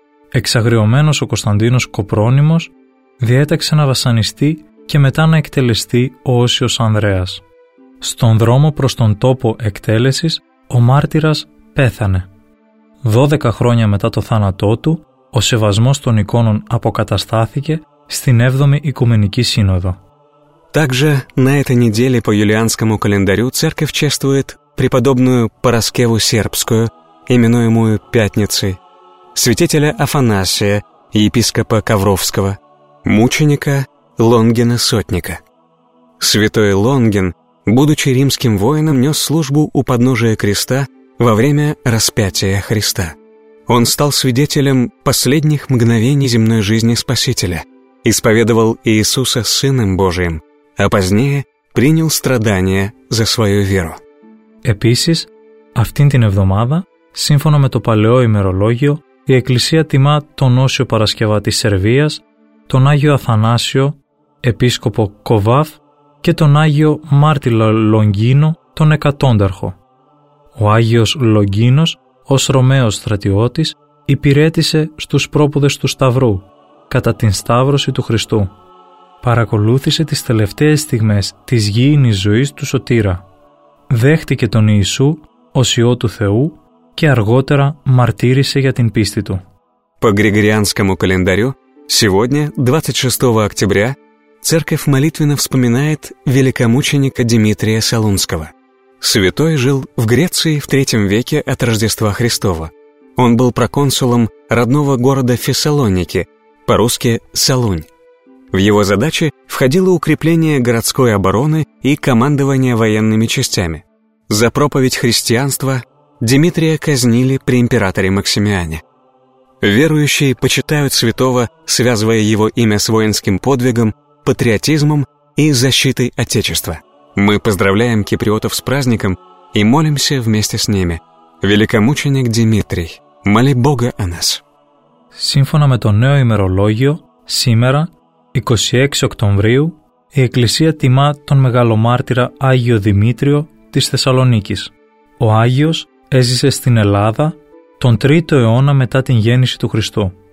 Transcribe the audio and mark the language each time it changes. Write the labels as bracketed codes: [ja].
[el] Εξαγριωμένος ο Κωνσταντίνος Κοπρόνιμος διέταξε να βασανιστεί και μετά να εκτελεστεί ο Όσιος Ανδρέας. Στον δρόμο προς τον τόπο εκτέλεσης, ο μάρτυρας πέθανε. 12 χρόνια μετά το θάνατό του, ο σεβασμός των εικόνων αποκαταστάθηκε στην 7η Οικουμενική Σύνοδο. [ru] Также на этой неделе по юлианскому календарю церковь чествует преподобную Параскеву Сербскую, именуемую Пятницей, святителя Афанасия, епископа Ковровского, мученика Лонгина Сотника. Святой Лонгин, будучи римским воином, нес службу у подножия креста во время распятия Христа. Он стал свидетелем последних мгновений земной жизни Спасителя, исповедовал Иисуса Сыном Божиим, а позднее принял страдания за свою веру. [el] Επίσης, αυτήν την εβδομάδα, σύμφωνα με το παλαιό ημερολόγιο, η Εκκλησία τιμά τον Όσιο Παρασκευά της Σερβίας, τον Άγιο Αθανάσιο, επίσκοπο Κοβάφ και τον Άγιο Μάρτυλο Λογκίνο, τον Εκατόνταρχο. Ο Άγιος Λογκίνος, ως Ρωμαίος στρατιώτης, υπηρέτησε στους πρόποδες του Σταυρού, κατά την Σταύρωση του Χριστού. Παρακολούθησε τις τελευταίες στιγμές της γήινης ζωής του Σωτήρα. Δέχτηκε τον Ιησού ως Υιό του Θεού και αργότερα μαρτύρησε για την πίστη του. [ru] По Григорианскому календарю, сегодня, 26 октября, церковь молитвенно вспоминает великомученика Дмитрия Солунского. Святой жил в Греции в III веке от Рождества Христова. Он был проконсулом родного города Фессалоники, по-русски Солунь. В его задачи входило укрепление городской обороны и командование военными частями. За проповедь христианства Дмитрия казнили при императоре Максимиане. Верующие почитают святого, связывая его имя с воинским подвигом, патриотизмом и защитой Отечества. Мы поздравляем киприотов с праздником и молимся вместе с ними. Великомученик Дмитрий, моли Бога о нас. [el] Симфона мето нео имерологио, симера, 26 Οκτωβρίου, η Εκκλησία τιμά τον μεγαλομάρτυρα Άγιο Δημήτριο της Θεσσαλονίκης. Ο Άγιος έζησε στην Ελλάδα τον 3ο αιώνα μετά την γέννηση του Χριστού.